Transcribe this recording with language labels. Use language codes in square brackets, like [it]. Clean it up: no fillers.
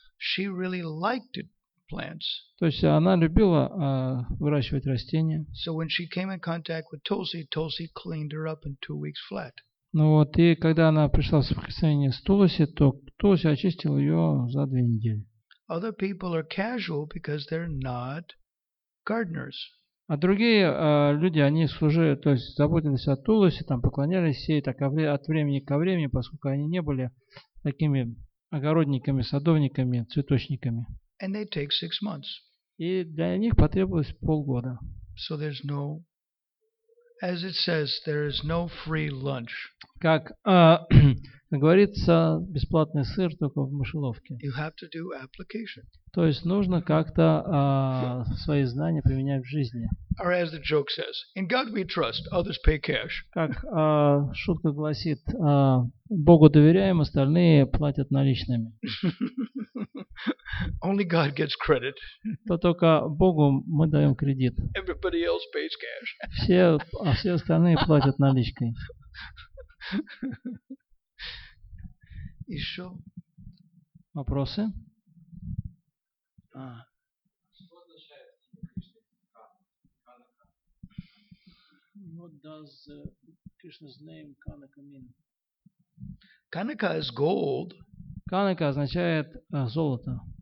[en] She really liked plants. [ru] То есть она любила выращивать растения. [en] So when she came in contact with Tulsi, Tulsi cleaned her up in 2 weeks flat. [ru] Ну вот, и когда она пришла в соприкосновение с Тулси, то Тулси очистил ее за 2 недели. [en] Other people are casual because they're not gardeners. [ru] А другие люди, они служили, то есть заботились о Тулси, там поклонялись ей так от времени ко времени, поскольку они не были такими огородниками, садовниками, цветочниками. [en] And they take 6 months. [ru] И для них потребовалось полгода. [en] So there's no, as it says, there is no free lunch. [ru] Как говорится, бесплатный сыр только в мышеловке. [en] You have to do application. [ru] То есть нужно как-то свои знания применять в жизни. [en] Or as the joke says, in God we trust, others pay cash. [ru] Как шутка гласит, Богу доверяем, остальные платят наличными. [en] Only God gets credit. [ru] То только Богу мы даем кредит. [en] Everybody else pays cash. [ru] Все остальные платят наличкой. Еще вопросы? [en] What does Krishna's name Kanaka mean? Kanaka is gold. [ru] Kanaka означает золото.